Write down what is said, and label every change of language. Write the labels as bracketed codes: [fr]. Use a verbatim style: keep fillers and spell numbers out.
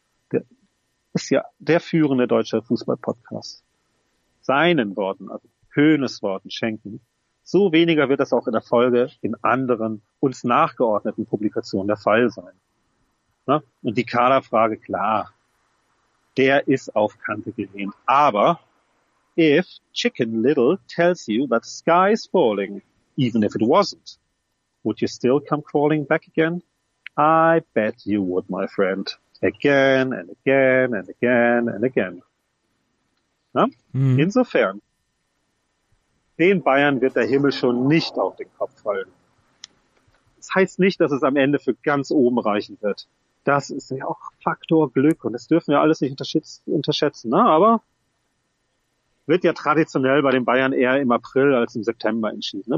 [de] Der ist ja der führende deutsche Fußballpodcast. Seinen Worten, also Hoeneß Worten schenken. So weniger wird das auch in der Folge in anderen uns nachgeordneten Publikationen der Fall sein. Ne? Und die Kaderfrage, klar, der ist auf Kante gelehnt. Aber [en] if Chicken Little tells you that sky is falling, even if it wasn't, would you still come crawling back again? I bet you would, my friend. Again and again and again and again. [de] Na? Mhm. Insofern, den Bayern wird der Himmel schon nicht auf den Kopf fallen. Das heißt nicht, dass es am Ende für ganz oben reichen wird. Das ist ja auch Faktor Glück und das dürfen wir alles nicht unterschätzen. Na, aber wird ja traditionell bei den Bayern eher im April als im September entschieden. Ne?